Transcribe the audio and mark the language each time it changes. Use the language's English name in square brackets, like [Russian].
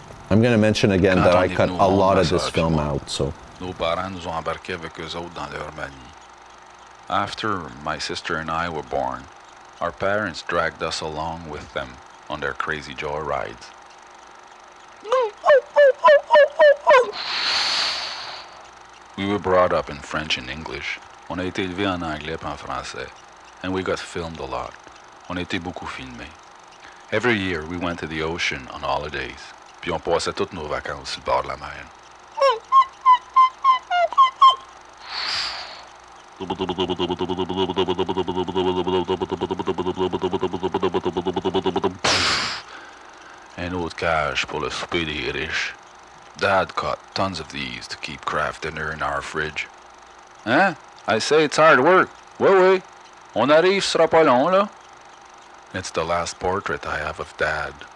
[English] I'm going to mention again that I cut a lot of this film out, so. [French] Nos parents nous ont embarqués avec eux autres dans leur manie. [English] After my sister and I were born, our parents dragged us along with them on their crazy joy rides. We were brought up in French and English. [French] On a été élevés en anglais et en français. [English] And we got filmed a lot. [French] On était beaucoup filmés. [English] Every year, we went to the ocean on holidays. [French] Puis on passait toutes nos vacances sur le bord de la mer. Un autre cage pour le souper des riches. [English] Dad caught tons of these to keep Kraft dinner in our fridge. [French] Hein? [English] I say it's hard work. [French] Oui, oui. On arrive, ce sera pas long, là. [English] It's the last portrait I have of Dad.